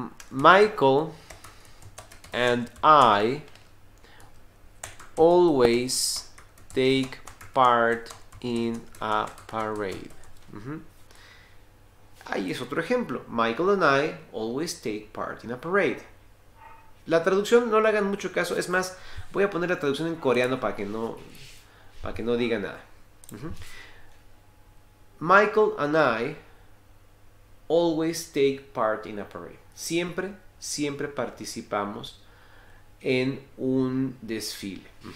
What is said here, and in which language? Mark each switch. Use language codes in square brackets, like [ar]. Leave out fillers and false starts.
[en] Michael and I always take part in a parade. [es] Ahí es otro ejemplo. [en] Michael and I always take part in a parade. [es] La traducción, no le hagan mucho caso. Es más, voy a poner la traducción en coreano para que no diga nada. [en] Michael and I always take part in a parade. [es] Siempre, siempre participamos en un desfile.